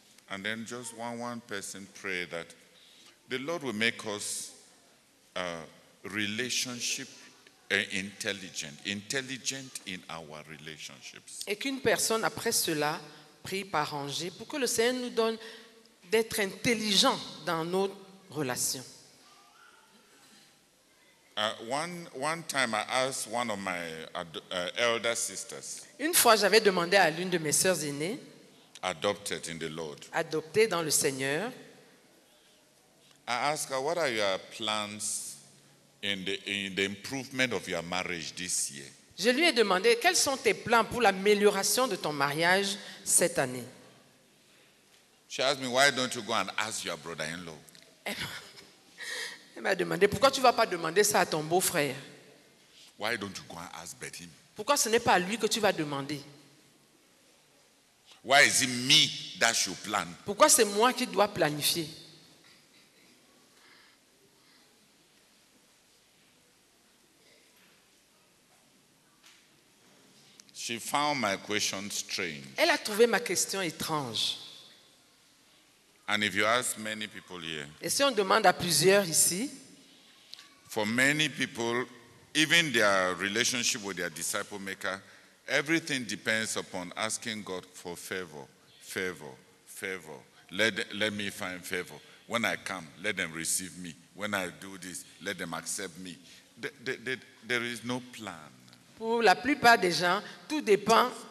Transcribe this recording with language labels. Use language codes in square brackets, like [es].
[en] And then just one person pray that the Lord will make us relationship intelligent in our relationships. [fr] Et qu'une personne après cela prie par rangée pour que le Seigneur nous donne d'être intelligent dans nos relations. [en] One time I asked one of my elder sisters. [fr] Une fois j'avais demandé à l'une de mes sœurs aînées. [en] Adopted in the Lord. [fr] Adoptée dans le Seigneur. [en] I asked her, what are your plans in the improvement of your marriage this year? [fr] Je lui ai demandé, quels sont tes plans pour l'amélioration de ton mariage cette année? [en] She asked me, why don't you go and ask your brother-in-law? [fr] Il m'a demandé, pourquoi tu ne vas pas demander ça à ton beau-frère? [en] Why don't you go and ask Betty? [fr] Pourquoi ce n'est pas lui que tu vas demander? [en] Why is it me that should plan? [fr] Pourquoi c'est moi qui dois planifier? [en] She found my question strange. [fr] Elle a trouvé ma question étrange. [en] And if you ask many people here, [fr] et si on demande à plusieurs ici, [en] for many people, even their relationship with their disciple maker, everything depends upon asking God for favor, favor, favor. Let me find favor. When I come, let them receive me. When I do this, let them accept me. There is no plan. [fr] Pour la plupart des gens, tout dépend.